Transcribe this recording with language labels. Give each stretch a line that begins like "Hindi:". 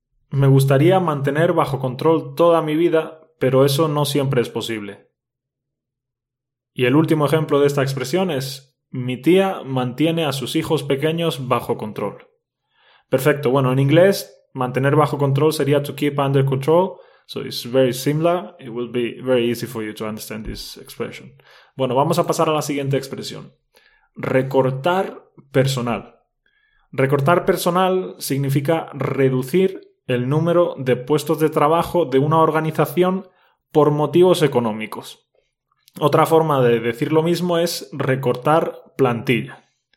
Spanish: Me gustaría mantener bajo control toda mi vida, pero eso no siempre es posible. Y el último ejemplo de esta expresión es mi tía mantiene a sus hijos pequeños bajo control. Perfecto. Bueno, en inglés, mantener bajo control sería
English: to keep under control. So it's very similar. It will be very easy for you to understand this expression.
Spanish: Bueno, vamos a pasar a la siguiente expresión. Recortar personal. Recortar personal significa reducir el número de puestos de trabajo de una organización por motivos económicos. Otra forma de decir lo mismo es recortar plantilla.